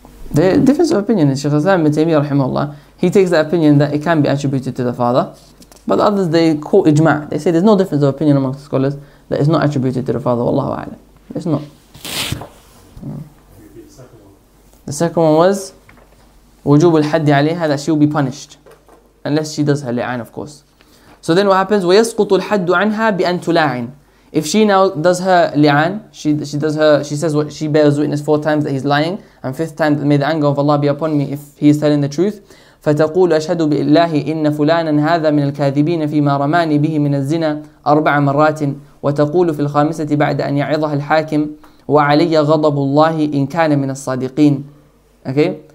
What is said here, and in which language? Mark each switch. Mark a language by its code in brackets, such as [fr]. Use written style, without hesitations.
[en] The difference of opinion is Sheikh Islam ibn Taymiyyah rahimahullah, he takes the opinion that it can be attributed to the father, but others they call ijma', they say there's no difference of opinion among scholars that it's not attributed to the father. Wallahu a'lam. It's not. The second one was wujub al-haddi alayha, that she will be punished unless she does her li'an, of course. So then what happens? [ar] ويسقط الحد عنها بأن تلاعن. [en] If she now does her li'an, she bears witness four times that he's lying, and fifth time that may the anger of Allah be upon me if he is telling the truth. [ar] فَتَقُولُ أَشْهَدُ بِاللَّهِ إِنَّ فُلَانًا هَذَا مِنَ الْكَاذِبِينَ فِيمَا رَمَانِ بِهِ مِنَ الزِّنَا أَرْبَعَ مَرَّاتٍ وَتَقُولُ فِي الْخَامِسَةِ بَعْدَ أَنْ يَعِظَهَا الْحَاكِمُ وَعَلَيَّ غَضَبُ اللَّهِ إِنْ كَانَ مِنَ الصَّادِقِينَ. [en] Okay?